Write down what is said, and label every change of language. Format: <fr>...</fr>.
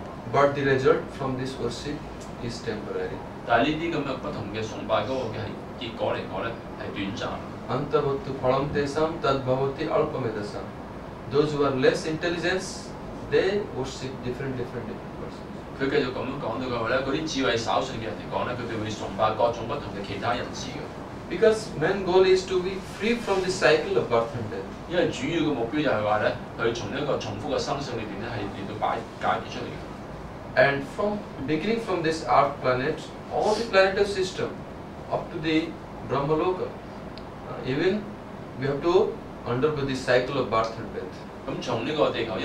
<en>But the result from this worship is temporary。</en> <yue>但係呢啲咁嘅不同嘅崇拜嗰個嘅結果嚟講咧，係短暫。</yue> <sa>antabhuttu phalam desam tad bhavati alpamedasam.</sa> <en>Those who are less intelligence, they worship different persons.</en> <yue>他繼續咁樣講到嘅話咧，嗰啲智慧稍遜嘅人嚟講咧，佢哋會崇拜各種不同嘅其他人士嘅。</yue> <en>Because man's goal is to be free from the cycle of birth and death.</en> <yue>因為主要嘅目標就係話咧，佢從呢一個重複嘅生死裏邊咧，係嚟到解脱出嚟嘅。</yue> <en>And from beginning from this earth planet, all the planetary system, up to the Brahmaloka, even we have to undergo the cycle of birth and death.</en>